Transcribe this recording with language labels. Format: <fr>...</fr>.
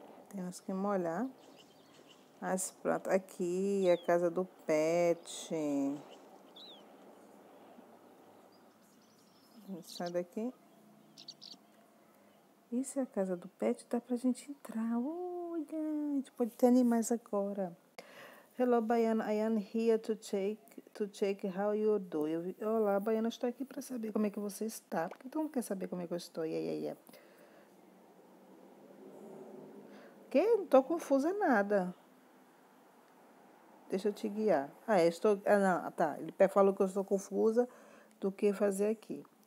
<pt>Temos que molhar as plantas. Aqui, a casa do pet. Sai daqui. Isso é a casa do pet. Dá pra gente entrar. Olha, a gente pode ter animais agora.</pt> <en>Hello, Baiana. I am here to check how you do.</en> <pt>Olá, Baiana. Estou aqui para saber como é que você está. Porque todo mundo quer saber como é que eu estou. E aí. Não tô confusa nada. Deixa eu te guiar. Ah, estou. Ah, não, tá. Ele falou que eu estou confusa do que fazer aqui.</pt>